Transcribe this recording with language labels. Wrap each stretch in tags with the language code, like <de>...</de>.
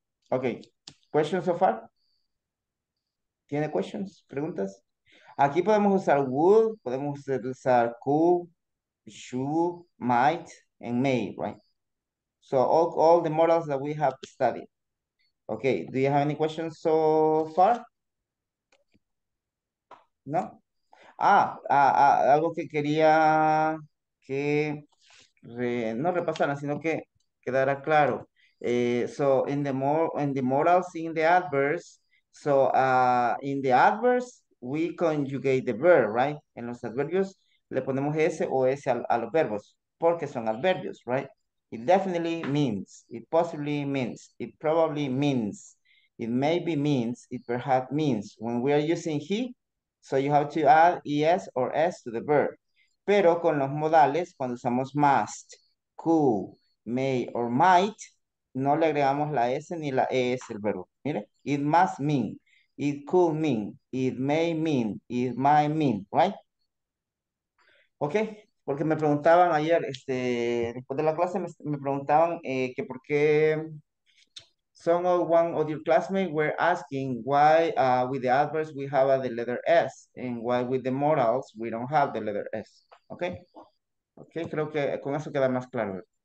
<en>Okay. Questions so far?</en> <es>¿Tiene questions? ¿Preguntas?</es> <en>Aquí podemos usar would, podemos usar could, should, might, and may, right? So all the models that we have studied. Okay, do you have any questions so far? No?</en> <es>Algo que quería que no repasara, sino que quedara claro.</es> <en>So in the morals, in the adverbs, so in the adverbs, we conjugate the verb, right?</en> <es>En los adverbios, le ponemos S o S a los verbos, porque son adverbios,</es> <en>right? It definitely means, it possibly means, it probably means, it maybe means, it perhaps means. When we are using he, so you have to add ES or S to the verb.</en> <es>Pero con los modales, cuando usamos must, could, may, or might, no le agregamos la S ni la ES al verbo. Mire,</es> <en>it must mean, it could mean, it may mean, it might mean, right?</en> <es>Okay, porque me preguntaban ayer, después de la clase, me preguntaban que por qué</es> <en>Some of one of your classmates were asking why with the adverbs we have the letter S and why with the modals we don't have the letter S. Okay?</en> <es>Okay, creo que con eso queda más claro.</es>